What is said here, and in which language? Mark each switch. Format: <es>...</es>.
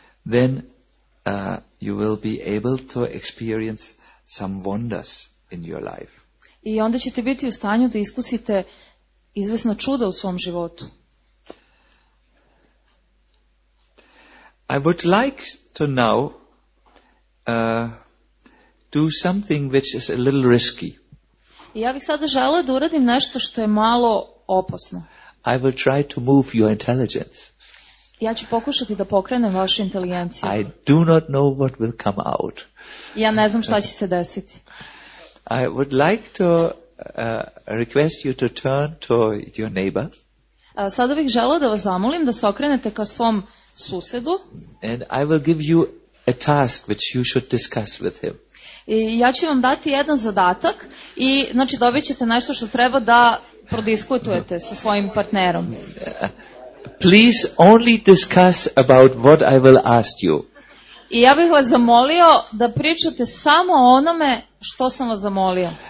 <en>Then you will be able to experience some wonders in your life.</en> <sr>I onda ćete biti u stanju da iskusite izvesna čuda u svom životu.</sr> <en>I would like to now do something which is a little risky.</en> <sr>Ja bih sada želeo da uradim nešto što je malo opasno.</sr> <en>I will try to move your intelligence.</en> <sr>Ja ću pokušati da pokrenem vašu inteligenciju.</sr> <en>I do not know what will come out.</en> <sr>Ja ne znam šta će se desiti.</sr> <en>I would like to request you to turn to your neighbor.</en> <sr>Sada bih želeo da vas zamolim da se okrenete ka svom susedu.</sr> <en>And I will give you a task which you should discuss with him.</en> <sr>I ja ću vam dati jedan zadatak i znači dobit ćete nešto što treba da prodiskutujete sa svojim partnerom.</sr> <en>Please only discuss about what I will ask you.</en> <sr>I ja bih vas zamolio da pričate samo o onome što sam vas zamolio.</sr>